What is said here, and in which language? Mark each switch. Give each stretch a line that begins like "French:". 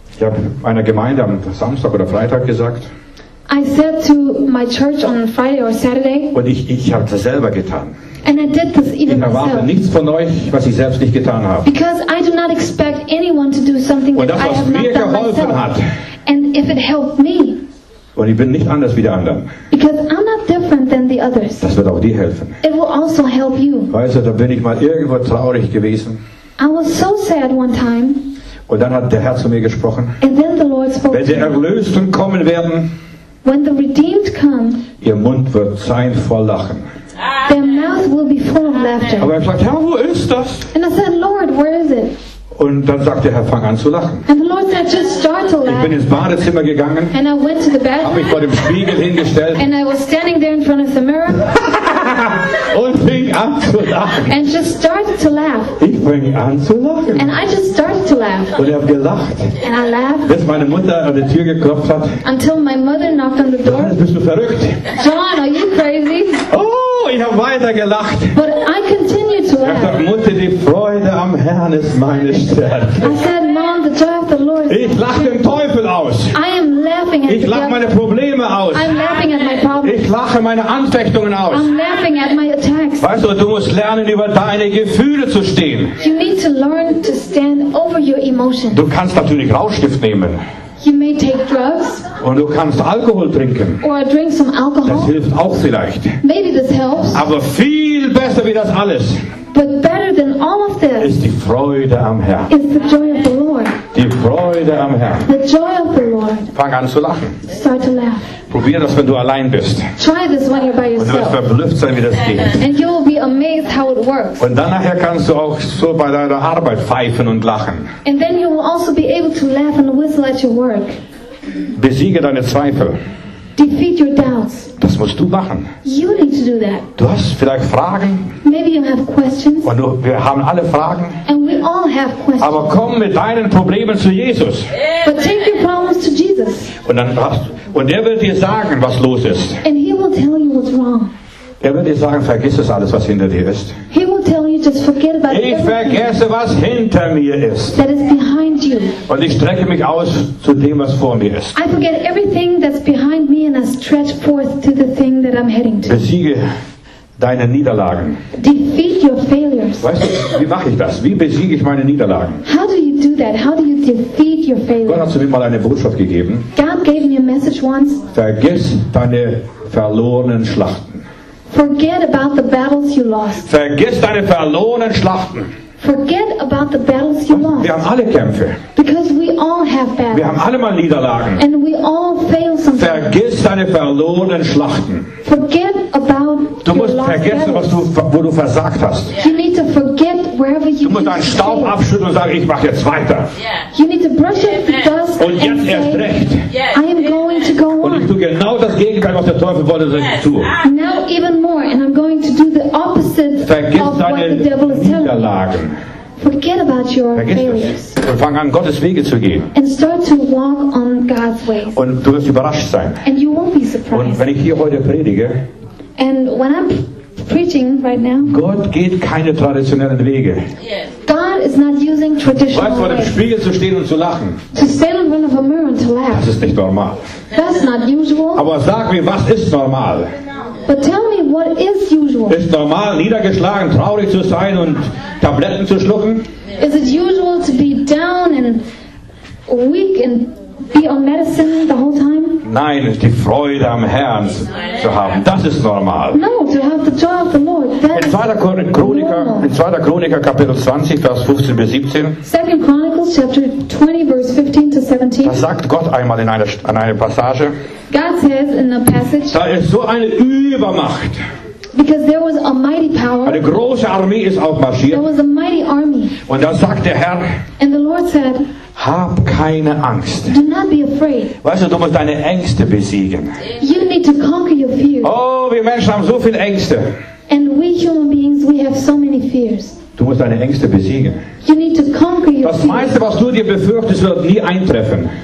German: Ich habe meiner Gemeinde am Samstag oder Freitag gesagt.
English: I said to my church on Friday or Saturday.
German: Und ich habe es selber getan.
English: And I did this even myself.
German: Ich erwarte nichts von euch, was ich selbst nicht getan habe.
English: Because I do not expect anyone to do something that I have not done myself.
German: Und das, was mir geholfen hat.
English: And if it helped me.
German: Und ich bin nicht anders wie die anderen.
English: Because I'm not different than the others.
German: Das wird auch dir helfen.
English: It will also help you.
German: Weißt du, da bin ich mal irgendwo traurig gewesen.
English: I was so sad one time.
German: Und dann hat der Herr zu mir gesprochen.
English: And then the Lord spoke.
German: Wenn die Erlösten kommen werden.
English: When the redeemed come.
German: Ihr Mund wird sein voll Lachen.
English: Their mouth will be full of laughter.
German: Aber ich sagte, Herr, wo ist das?
English: And I said, Lord, where is it?
German: Und dann sagte Herr, fang an zu lachen.
English: And the Lord said, just start to laugh.
German: Ich bin ins Badezimmer gegangen.
English: And I went to the bathroom.
German: Habe mich vor dem Spiegel hingestellt.
English: And I was standing there in front of the mirror.
German: Und fing an zu lachen.
English: And just started to laugh.
German: Ich fing an zu lachen.
English: And I just started to laugh.
German: Und ich habe gelacht.
English: And I laughed.
German: Bis meine Mutter an die Tür geklopft hat.
English: Until my mother knocked on the door.
German: Johannes, bist du verrückt?
English: John, are you crazy?
German: Oh, ich habe weiter gelacht.
English: But I continued to laugh.
German: Ich sagte, Mutter, die Freude am Herrn ist meine Stärke.
English: I said, Mom, the joy of the Lord.
German: Ich lache den Teufel aus.
English: I am laughing at
German: ich lache meine Probleme aus.
English: I'm laughing at my problems.
German: Ich lache meine Anfechtungen aus.
English: I'm laughing at my attacks.
German: Weißt du, du musst lernen, über deine Gefühle zu stehen.
English: You need to learn to stand over your emotions.
German: Du kannst natürlich Rauschgift nehmen.
English: You may take drugs.
German: Und du kannst Alkohol trinken.
English: Or drink some alcohol.
German: Das hilft auch vielleicht.
English: Maybe this helps.
German: Aber viel besser wie das alles.
English: But better than all of this
German: ist die Freude am Herrn.
English: Is the joy of the Lord.
German: Die Freude am Herrn.
English: The joy of the Lord.
German: Fang an zu lachen.
English: Start to laugh.
German: Probier das, wenn du allein bist.
English: Try this when you're by yourself.
German: Und du wirst verblüfft sein, wie das geht.
English: And you will be amazed how it works.
German: Und dann nachher kannst du auch so bei deiner Arbeit pfeifen und lachen.
English: And then you will also be able to laugh and whistle at your work.
German: Besiege deine Zweifel.
English: Defeat your doubts.
German: Das musst du machen.
English: You need to do that.
German: Du hast vielleicht Fragen.
English: Maybe you have questions.
German: Und wir haben alle Fragen.
English: And we all have questions.
German: Aber komm mit deinen Problemen zu Jesus.
English: But take your problems to Jesus.
German: Und dann und er wird dir sagen, was los ist.
English: And he will tell you what's wrong.
German: Er wird dir sagen, vergiss es alles, was hinter dir ist.
English: He will tell you, just forget about
German: ich vergesse, was hinter mir ist.
English: That is behind you.
German: Und ich strecke mich aus zu dem, was vor mir ist.
English: I forget everything that's behind me and I stretch forth to the thing that I'm heading to.
German: Besiege deine Niederlagen.
English: Defeat your failures.
German: Weißt du, wie mache ich das? Wie besiege ich meine Niederlagen?
English: How do you do that? How do you defeat your failures?
German: Gott hat zu mir mal eine Botschaft gegeben.
English: God gave me a message once.
German: Vergiss deine verlorenen Schlachten.
English: Forget about the battles you lost.
German: Vergiss deine verlorenen Schlachten.
English: Forget about the battles you lost.
German: Wir haben alle Kämpfe.
English: Because we all have battles.
German: Wir haben alle mal Niederlagen.
English: And we all fail sometimes.
German: Vergiss deine verlorenen Schlachten.
English: Forget about
German: du musst vergessen, was du, wo du versagt hast.
English: You need to forget wherever you
German: du musst deinen Staub
English: fail.
German: Abschütteln und sagen, ich mache jetzt weiter.
English: Yeah. You need to brush off the dust
German: und jetzt
English: and
German: erst
English: say,
German: recht.
English: Yes. I am going to go
German: und ich tue genau das Gegenteil. Gegenteil, was der Teufel wollte, soll ich tun.
English: Now even more, and I'm going to do the opposite
German: Vergiss
English: of what the devil is telling me. Forget about your failures.
German: Und fang an, Gottes Wege zu gehen.
English: And start to walk on God's ways.
German: Und du wirst überrascht sein.
English: And you won't be surprised.
German: Und wenn ich hier heute predige,
English: and when I'm preaching right now,
German: Gott geht keine traditionellen Wege.
English: Yes. God is not using traditional ways.
German: Vor dem Spiegel zu stehen und zu lachen.
English: To stand in front of a mirror and to laugh.
German: Das ist nicht normal.
English: That's not usual.
German: Aber sag mir, was ist normal?
English: But tell me, what is usual?
German: Ist normal, niedergeschlagen, traurig zu sein und Tabletten zu schlucken?
English: Is it usual to be down and weak and be on medicine the whole time?
German: Nein, die Freude am Herrn zu haben, das ist normal.
English: No, to have the joy of the Lord, that
German: in 2. Chroniker Kapitel 20, Vers 15 bis 17.
English: 2. Chronicles chapter 20, verse 15 to 17.
German: Das sagt Gott einmal in einer Passage.
English: God says in the passage.
German: Da ist so eine Übermacht.
English: Because there was a mighty power.
German: Eine große Armee ist aufmarschiert.
English: There was a mighty army.
German: Und da sagt der Herr.
English: And the Lord said.
German: Hab keine Angst.
English: Do not be afraid.
German: Weißt du musst deine Ängste besiegen.
English: You need to conquer your fears.
German: Oh, wir Menschen haben so viele Ängste.
English: And we human beings, we have so many fears.
German: Du musst deine Ängste besiegen.
English: You need to conquer your fears.
German: Das meiste, was du dir befürchtest, wird nie eintreffen.